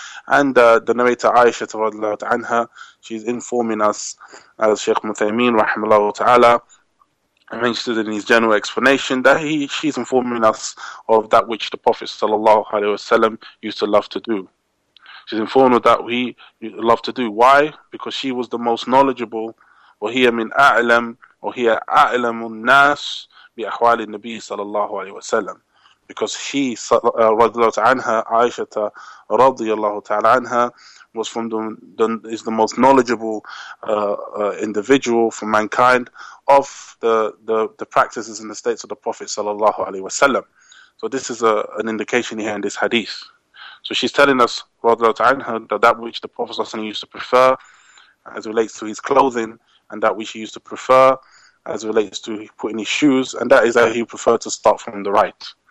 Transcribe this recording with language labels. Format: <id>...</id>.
<en>And the narrator Aisha radhiyallahu anha, she's informing us, as Sheikh Muthaymin rahimahullah ta'ala mentioned in his general explanation, that she's informing us of that which the Prophet sallallahu alaihi wasallam used to love to do. She's informed of that we love to do. Why? Because she was the most knowledgeable.</en> <ar>وهي من أعلم, وهي أعلم الناس بأحوال النبي صلى الله عليه وسلم.</ar> <en>Because she,</en> <ar>رضي الله تعالى عنها, عائشة رضي الله تعالى عنها,</ar> <en>was from is the most knowledgeable individual for mankind of the practices and the states of the Prophet صلى الله عليه وسلم. So this is an indication here in this hadith. So she's telling us, radhiyallahu anha, that which the Prophet used to prefer as it relates to his clothing, and that which he used to prefer as it relates to putting his shoes, and that is that he preferred to start from the right.</en>